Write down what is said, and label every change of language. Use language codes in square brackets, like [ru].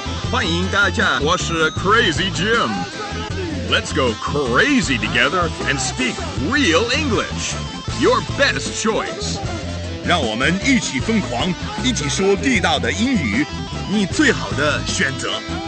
[zh] 欢迎大家，我是 Crazy Jim。 [en] Let's go crazy together and speak real English. Your best choice. [zh] 让我们一起疯狂，一起说地道的英语，你最好的选择。